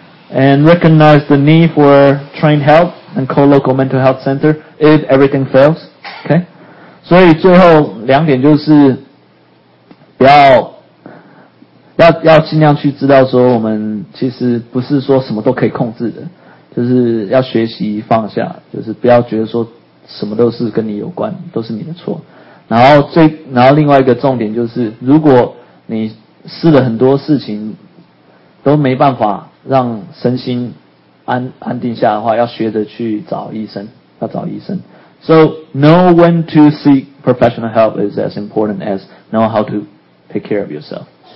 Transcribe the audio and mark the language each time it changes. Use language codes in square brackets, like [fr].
[en] And recognize the need for trained help and call local mental health center if everything fails. Okay? [zh] 所以最后两点就是要尽量去知道说我们其实不是说什么都可以控制的，就是要学习放下，就是不要觉得说什么都是跟你有关，都是你的错。然后另外一个重点就是，如果你试了很多事情都没办法让身心安定下的话，要学着去找医生，要找医生。 [en] So, know when to seek professional help is as important as know how to take care of yourself.